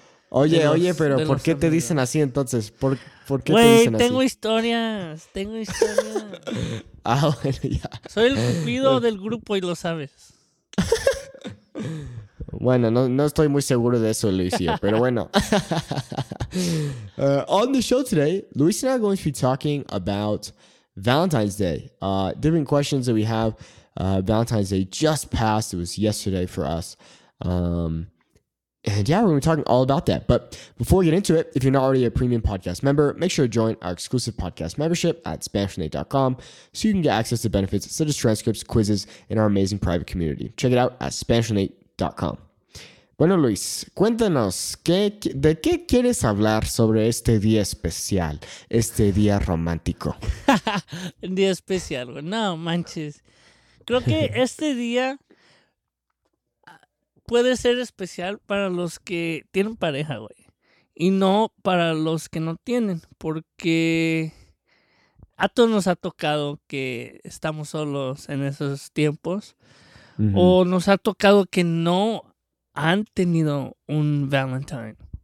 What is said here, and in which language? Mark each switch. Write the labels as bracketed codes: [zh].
[es] Oye, los, oye, pero ¿por qué amigos te dicen así entonces? ¿Por qué wey, te dicen así? Tengo historias. Ah, bueno, ya. Soy el Cupido del grupo y lo sabes. Bueno, no estoy muy seguro de eso, Luisio, pero bueno. [en] On the show today, Luis and I are going to be talking about Valentine's Day. Different questions that we have. Valentine's Day just passed. It was yesterday for us. And yeah, we're going to be talking all about that. But before we get into it, if you're not already a premium podcast member, make sure to join our exclusive podcast membership at SpanishNate.com so you can get access to benefits such as transcripts, quizzes, and our amazing private community. Check it out at SpanishNate.com. [es] Bueno, Luis, cuéntanos, ¿de qué quieres hablar sobre este día especial, este día romántico? Día especial, güey. No, manches. Creo que este día puede ser especial para los que tienen pareja, güey, y no para los que no tienen, porque a todos nos ha tocado que estamos solos en esos tiempos, uh-huh. O nos ha tocado que no han tenido un Valentine.